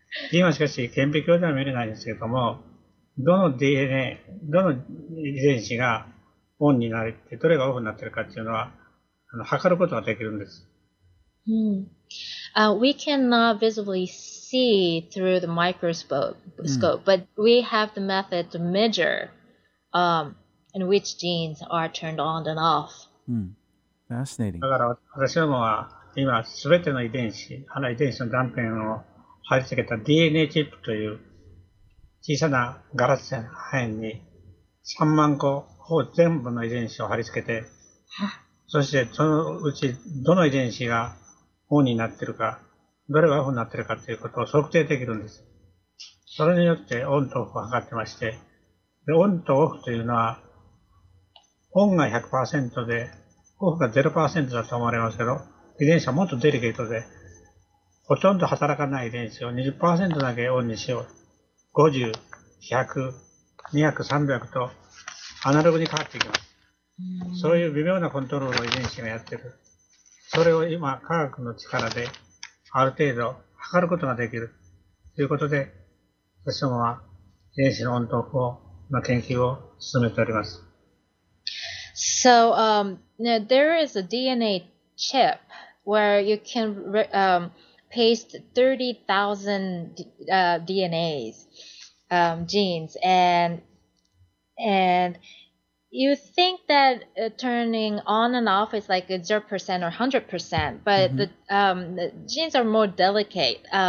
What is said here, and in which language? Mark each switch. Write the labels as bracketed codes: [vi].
[ja] 今しかし、顕微鏡では見れないんですけども、どの DNA、どの遺伝子がオンになって、どれがオフになっているかっていうのは、測ることができるんです。 [en] We cannot visibly see through the microscope, but we have the method to measure, in which genes are turned on and off. Fascinating. [ja] だから私どもは今すべての遺伝子、あの遺伝子の断片を貼り付けた DNA チップという小さなガラス破片に3万個ほぼ全部の遺伝子を貼り付けて、そしてそのうちどの遺伝子がオンになっているか、どれがオフになっているかということを測定できるんです。それによってオンとオフを測ってまして、でオンとオフというのは、オンが 100% でオフが 0% だと思われますけど、遺伝子はもっとデリケートで、ほとんど働かない遺伝子を 20% だけオンにしよう。 50、100、200、300とアナログに変わっていきます。そういう微妙なコントロールを遺伝子がやっている。それを今、科学の力である程度測ることができる。ということで、私どもは遺伝子のオンとオフの研究を進めております。 [en] So, now there is a DNA chip where you can paste 30,000 DNAs, genes, and you think that turning on and off is like 0% or 100%, but the genes are more delicate.